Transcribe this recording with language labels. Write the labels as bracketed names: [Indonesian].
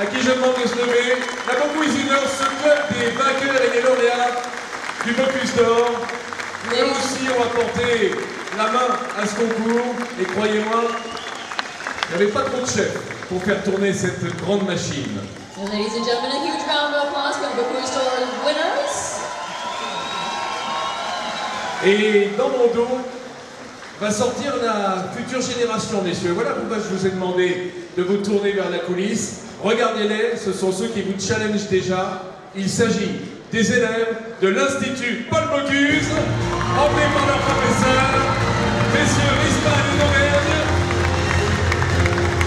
[French] à qui je demande de se lever, la Bocuisineur, ce club des vainqueurs et des lauréats du Bocuse d'Or. Nous aussi, on va porter la main à ce concours. Et croyez-moi, il n'y avait pas trop de chefs pour faire tourner cette grande machine. [English] Ladies and gentlemen, a huge round of applause for the Bocuse d'Or winners. [French] Et dans mon dos, va sortir la future génération, messieurs. Voilà pourquoi je vous ai demandé de vous tourner vers la coulisse. Regardez-les, ce sont ceux qui vous challengent déjà. Il s'agit des élèves de l'Institut Paul Bocuse, emmenés par leur professeur, messieurs Risman et Domergue.